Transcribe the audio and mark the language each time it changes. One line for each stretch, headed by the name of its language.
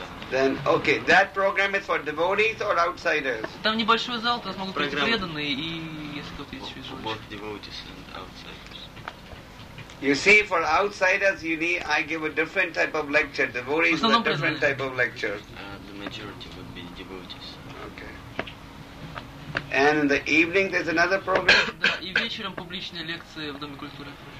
English: Then, okay, that program is for devotees or outsiders?
Russian: Там небольшой зал, там могут быть преданные и если кто-то есть свежий.
English: Both devotees and outsiders. You see, for outsiders, you need I give a different type of lecture. Devotees a different type of lecture. The majority would be devotees. Okay. And in the evening, there's another program.
Russian: Да, и вечером публичные лекции в Доме культуры.